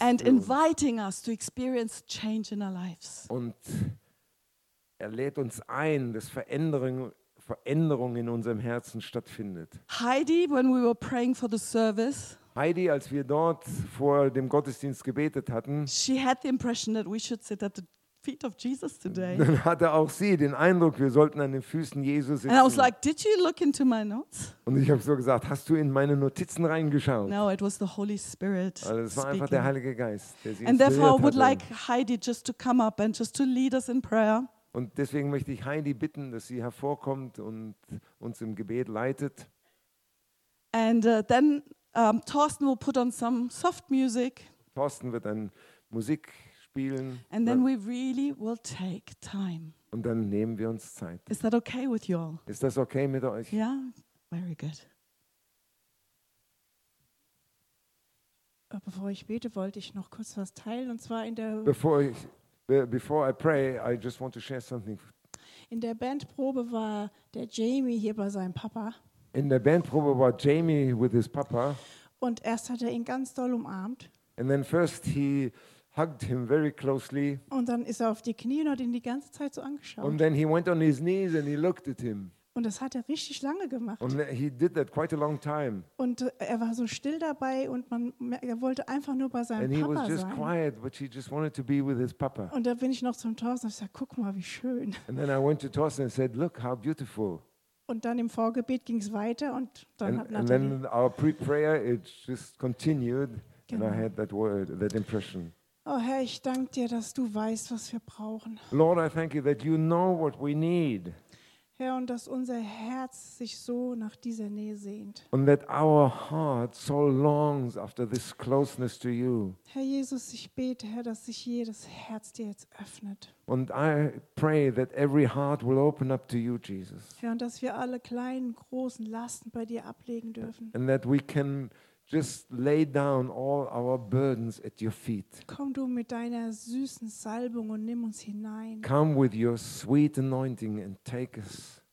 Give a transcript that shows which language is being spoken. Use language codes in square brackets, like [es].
[en] And inviting us to experience change in our lives. [de] Und er lädt uns ein, dass Veränderung in unserem Herzen stattfindet. [en] Heidi, when we were praying for the service, [de] Heidi, als wir dort vor dem Gottesdienst gebetet hatten, [en] she had the impression that we should sit at the feet of Jesus today. [de] Dann hatte auch sie den Eindruck, wir sollten an den Füßen Jesu sitzen. [en] And I was like, did you look into my notes? [de] Und ich habe so gesagt, hast du in meine Notizen reingeschaut? [en] No, it was the Holy Spirit. [de] Also es war einfach der Heilige Geist, der sie inspiriert hat. [en] And therefore I would like Heidi just to come up and just to lead us in prayer. [de] Und deswegen möchte ich Heidi bitten, dass sie hervorkommt und uns im Gebet leitet. [en] And then Thorsten will put on some soft music. [de] Thorsten wird dann Musik spielen. [en] And then we really will take time. [de] Und dann nehmen wir uns Zeit. [en] Is that okay with you all? [de] Ist das okay mit euch? [en] Ja, yeah? Very good. [de] Bevor ich bete, wollte ich noch kurz was teilen, und zwar in der [en] Before I pray, I just want to share something. [de] In der Bandprobe war der Jamie hier bei seinem Papa. In der Bandprobe war Jamie [en] with his papa. [de] Und erst hat er ihn ganz doll umarmt. [en] And then first he hugged him very closely. [de] Und dann ist er auf die Knie und hat ihn die ganze Zeit so angeschaut. [en] And then he went on his knees and he looked at him. [de] Und das hat er richtig lange gemacht. [en] And he did that quite a long time. [de] Und er war so still dabei und er wollte einfach nur bei seinem [en] and [de] Papa sein. [en] And he was just [de] sein. [en] Quiet, but he just wanted to be with his papa. [de] Und da bin ich noch zum Thorsten und sag, guck mal, wie schön. [en] And then I went to Thorsten and said, look how beautiful. [de] Und dann im Vorgebet ging es weiter und dann [en] and then our pre-prayer it just continued. Genau. And I had that word, that impression. [de] Oh Herr, ich danke dir, dass du weißt, was wir brauchen. [en] Lord, I thank you that you know what we need. [de] Herr, und dass unser Herz sich so nach dieser Nähe sehnt. [en] And that our heart so longs after this closeness to you. [de] Herr Jesus, ich bete, Herr, dass sich jedes Herz dir jetzt öffnet. [en] And I pray that every heart will open up to you, Jesus. [de] Herr, und dass wir alle kleinen, großen Lasten bei dir ablegen dürfen. [en] And that we can just lay down all our burdens at your feet. [de] Komm du mit deiner süßen Salbung und nimm uns hinein. [en] Come with your sweet anointing and take us.